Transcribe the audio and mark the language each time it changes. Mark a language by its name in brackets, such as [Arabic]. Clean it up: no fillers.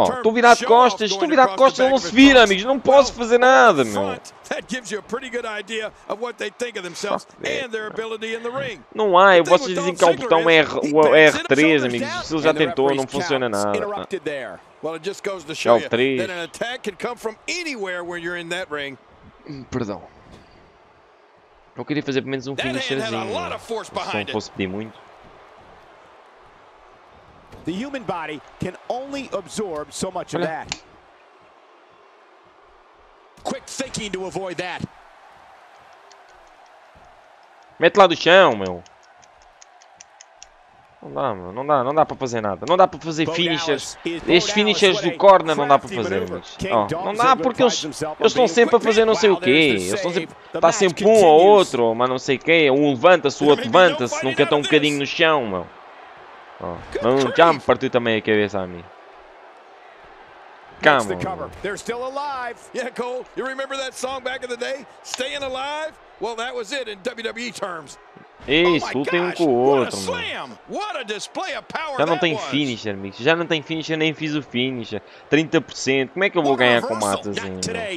[Portuguese] Oh, estou a virar de costas. Estou a virar de costas. Não se vira, amigos. Não posso fazer nada, meu. [English] That gives you a pretty good idea of what they think of themselves and their ability in the ring. [Portuguese] Não há, eu posso dizer que há o botão R3, amigos. Se ele já tentou, não funciona nada. [English] Well, it just goes to show you that an attack can come from anywhere when you're in that ring. [Portuguese] Perdão. Não queria fazer pelo menos finisherzinho. Se não fosse pedir muito. [English] The human body can only absorb so much of that. Quick thinking to avoid that. [Portuguese] Mete lá do chão, meu. Não dá para fazer nada. Não dá para fazer finishers. Estes finishers do corner não dá para fazer. Não dá porque eles estão sempre a fazer não sei o quê. Está sempre um ou outro, mas não sei o quê. Um levanta-se, o outro levanta-se. Nunca estão um bocadinho no chão, meu. Já me partiu também a cabeça a mim. [English] Come on. They're still alive. Yeah, Cole, you remember that song back in the day? Staying alive? Well, that was it in WWE terms. [Portuguese] Isso, oh lutem um com o outro. Já não tem finisher, amigos. Já não tem finisher, nem fiz o finisher. 30%. Como é que eu vou ganhar com matas ainda?